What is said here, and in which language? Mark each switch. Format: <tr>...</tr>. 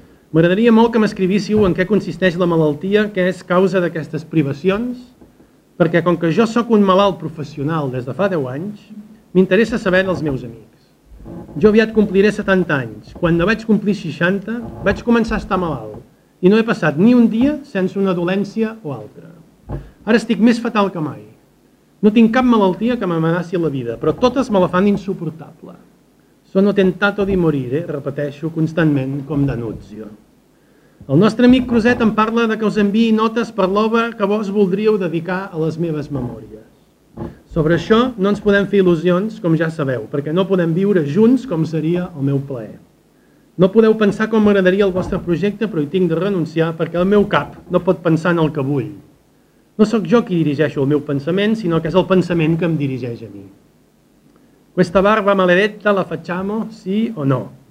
<ca>M'agradaria molt que m'escrivíssiu en què consisteix la malaltia, que és causa d'aquestes privacions, perquè com que jo sóc un malalt professional des de fa 10 anys, m'interessa saber dels meus amics. Jo aviat compliré 70 anys. Quan no vaig complir 60, vaig començar a estar malalt i no he passat ni un dia sense una dolència o altra. Ara estic més fatal que mai. No tinc cap malaltia que m'amenaci la vida, però totes me la fan insuportable.</ca> <it>Sono tentato di morire,</it> <ca>repeteixo constantment com d'anunzio. El nostre amic Cruzet em parla de que us enviï notes per l'obra que vos voldríeu dedicar a les meves memòries. Sobre això no ens podem fer il·lusions, com ja sabeu, perquè no podem viure junts com seria el meu plaer. No podeu pensar com m'agradaria el vostre projecte, però hi tinc de renunciar perquè el meu cap no pot pensar en el que vull. No sóc jo qui dirigeixo el meu pensament, sinó que és el pensament que em dirigeix a mi.</ca> <it>Questa barba maledetta la facciamo, sí o no?</it>